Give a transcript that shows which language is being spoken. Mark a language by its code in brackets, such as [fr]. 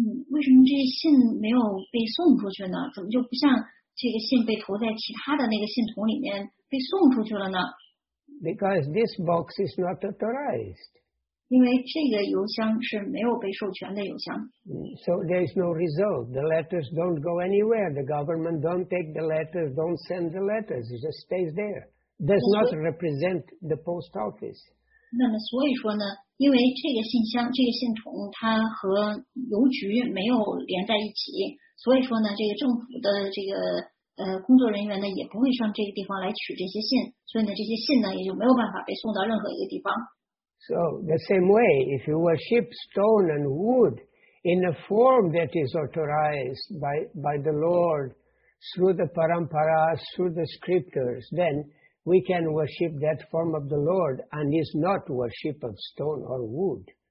[zh] 为什么这信没有被送出去呢？怎么就不像这个信被投在其他的那个信筒里面被送出去了呢 [en] ？Because this box is not authorized. [zh] 因为这个邮箱是没有被授权的邮箱。 [en] So there is no result. The letters don't go anywhere. The government don't take the letters, don't send the letters. It just stays there. Does not represent the post office. [zh] 那么所以说呢，因为这个信箱、这个信筒它和邮局没有连在一起，所以说呢，这个政府的这个工作人员呢也不会上这个地方来取这些信，所以呢，这些信呢也就没有办法被送到任何一个地方。 [en] So the same way, if you worship stone and wood in a form that is authorized by the Lord through the paramparas, through the scriptures, then we can worship that form of the Lord and is not worship of stone or wood.